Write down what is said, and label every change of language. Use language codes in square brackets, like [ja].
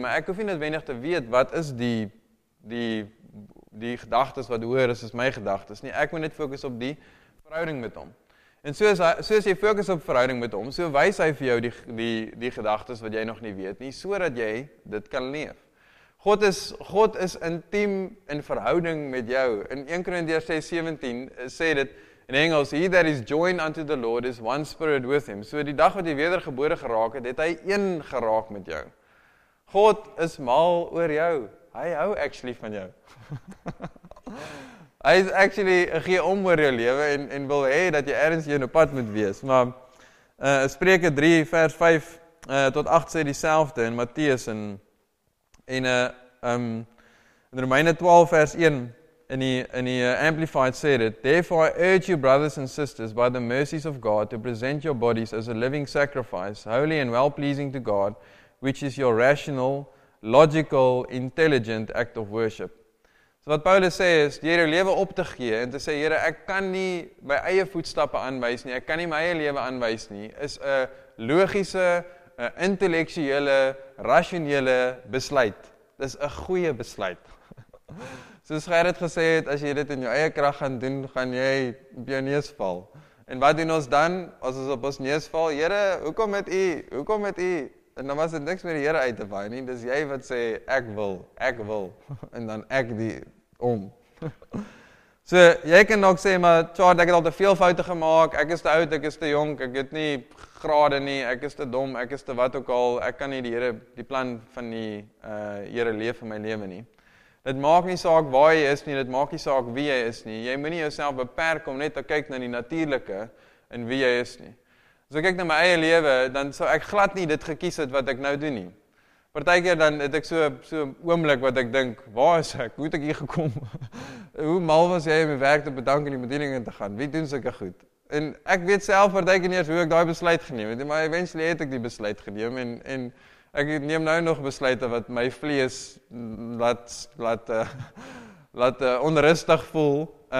[af] Maar ek hoef nie noodwendig te weet wat is die gedagtes wat hoër is as my gedagtes nie. Ek moet net fokus op die verhouding met hom. En soos jy fokus op verhouding met hom, so wys hy vir jou die gedagtes wat jy nog nie weet nie, sodat jy dit kan leef. God is intiem in verhouding met jou. In 1 Korintiërs 6:17 sê dit in Engels, [en] he that is joined unto the Lord is one spirit with him. [af] So die dag wat jy wedergebore geraak het, het hy een geraak met jou. God is mal oor jou. Hy hou actually van jou. Hy is actually gee om oor jou lewe en wil hê dat jy ergens hier op pad moet wees. Maar Spreuke 3 vers 5 tot 8 sê dieselfde in Matteus in Romeine 12 vers 1 in die Amplified sê dit, [en] therefore I urge you brothers and sisters by the mercies of God to present your bodies as a living sacrifice, holy and well-pleasing to God, which is your rational, logical, intelligent act of worship. [af] So wat Paulus sê is, deur jou lewe op te gee en te sê, Here, ek kan nie my eie voetstappe aanwys nie, ek kan nie my eie lewe aanwys nie, is 'n logiese, 'n intellektuele, rasionele besluit. Dis 'n goeie besluit. Soos Gerrit gesê het, as jy dit in jou eie krag gaan doen, gaan jy op jou neus val. En wat doen ons dan, as ons op ons neus val? Here, hoekom met u? Hoekom met u? En dan was dit niks meer die Here uit te waai nie. Dis jy wat sê, ek wil, en dan ek die om. So, jy kan dalk sê, maar Tjaard, ek het al te veel foute gemaak, ek is te oud, ek is te jonk, ek het nie grade nie, ek is te dom, ek is te wat ook al, ek kan nie die Here, die plan van die Here leef in my lewe nie. Dit maak nie saak waar jy is nie, dit maak nie saak wie jy is nie. Jy moet nie jouself beperk om net te kyk na die natuurlike en wie jy is nie. As ek kyk na my eie lewe, dan sou ek glad nie dit gekies het wat ek nou doen nie. Partykeer dan het ek so oomblik wat ek dink, waar is ek? Hoe het ek hier gekom? Hoe mal was jy om die werk te bedank en die bedieninge te gaan? Wie doen sulke goed? En ek weet self partykeer eers hoe ek daai besluit geneem het, maar eventually het ek die besluit geneem en ek neem nou nog besluite wat my vlees laat onrustig voel.